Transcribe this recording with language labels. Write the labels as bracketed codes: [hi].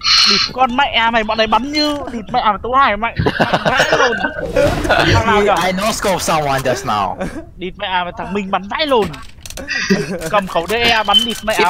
[vi] Đụt con mẹ mày, bọn này bắn như đụt mẹ mày, tối hài mày. Vãi lồn. [en] I no scope someone just now. [vi] Đụt mẹ mày, thằng Minh bắn vãi lồn. Cầm khẩu DE bắn đụt mẹ mày.